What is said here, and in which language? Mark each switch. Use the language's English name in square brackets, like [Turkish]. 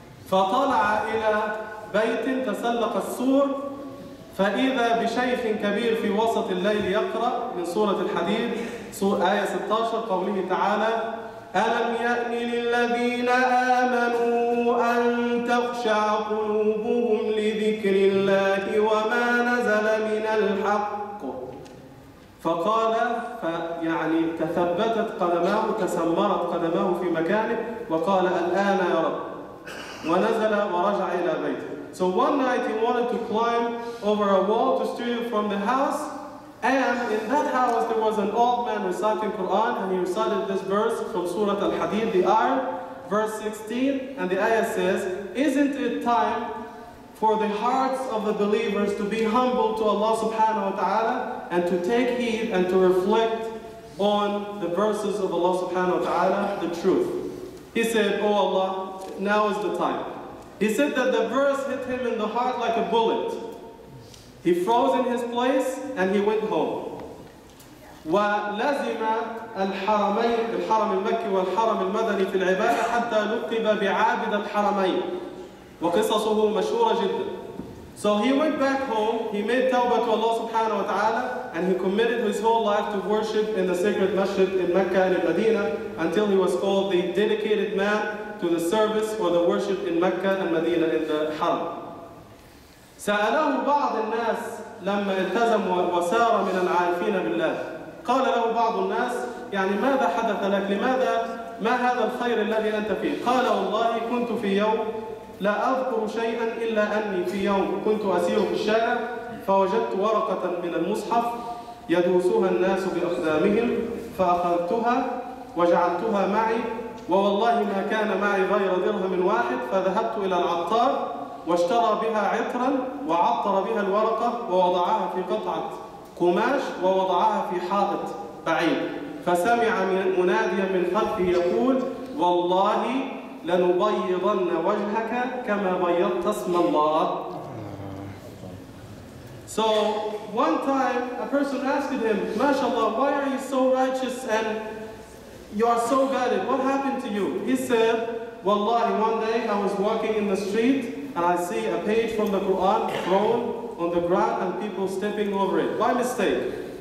[Arabic] فطلع إلى بيت تسلق السور فإذا بشيخ كبير في وسط الليل يقرأ من سورة الحديد آية 16 قوله تعالى ألم يأن للذين آمنوا أن تخشع قلوبهم لذكر الله وما نزل من الحق فقال فيعني تثبتت قدماه تسمرت قدماه في مكانه وقال الآن يا رب ونزل ورجع إلى بيته. [English] So one night he wanted to climb over a wall to steal from the house And in that house there was an old man reciting Quran and he recited this verse from Surah Al-Hadid, the ayah, verse 16. And the ayah says, isn't it time for the hearts of the believers to be humble to Allah subhanahu wa ta'ala and to take heed and to reflect on the verses of Allah subhanahu wa ta'ala, the truth. He said, oh Allah, now is the time. He said that the verse hit him in the heart like a bullet. He froze in his place and he went home. [Arabic] ولزم الحرمين الحرم المكي والحرم المدني في العبادة حتى لقب بعابد الحرمين. وقصصه مشهورة جدا. [English] So he went back home, he made tawbah to Allah subhanahu wa ta'ala and he committed his whole life to worship in the sacred masjid in Mecca and in Medina until he was called the dedicated man to the service or the worship in Mecca and Medina in the haram. [Arabic] سأله بعض الناس لما التزم وسار من العارفين بالله قال له بعض الناس يعني ماذا حدث لك لماذا ما هذا الخير الذي أنت فيه قال والله كنت في يوم لا أذكر شيئا إلا أني في يوم كنت أسير في الشارع فوجدت ورقة من المصحف يدوسها الناس بأقدامهم فأخذتها وجعلتها معي ووالله ما كان معي غير درهم واحد فذهبت إلى العطار واشترى بها عطرا وعطر بها الورقة ووضعها في قطعة قماش ووضعها في حائط بعيد فسمع مناديا من خلفه يقول والله لنبيضن وجهك كما بيضت اسم الله. [English] So one time a person asked him [Arabic] ما شاء الله [English] why are you so righteous and you are so good what happened to you he said والله one day I was walking in the street And I see a page from the Quran thrown on the ground and people stepping over it. By mistake.